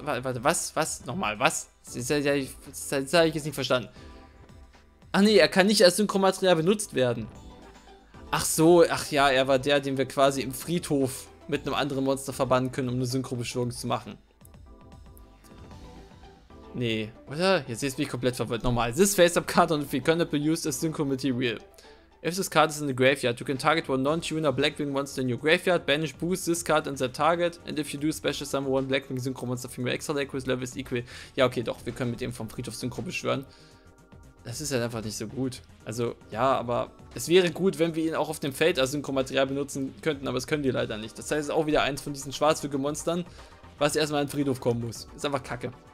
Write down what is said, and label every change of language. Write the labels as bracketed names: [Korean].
[German] Warte, was? Was? Nochmal, was? Das habe ich jetzt nicht verstanden. Ach nee, er kann nicht als Synchromaterial benutzt werden. Ach so, ach ja, er war der, den wir quasi im Friedhof mit einem anderen Monster verbannen können, um eine Synchro-Beschwörung zu machen. Nee, oder? Jetzt sehe ich mich komplett verwirrt. Nochmal, [English] this face-up card on the field cannot be used as synchro material. If this card is in the graveyard, you can target one non-tuner Blackwing monster in your graveyard, banish boost this card and that target, and if you do special summon one Blackwing synchro monster from your extra deck with levels equal... [German] Ja, okay, doch, wir können mit dem vom Friedhof synchro beschwören. Das ist halt einfach nicht so gut. Also, ja, aber es wäre gut, wenn wir ihn auch auf dem Feld als Synchro-Material benutzen könnten, aber das können wir leider nicht. Das heißt, es ist auch wieder eins von diesen schwarzwürgigen Monstern, was erstmal in den Friedhof kommen muss. Ist einfach kacke.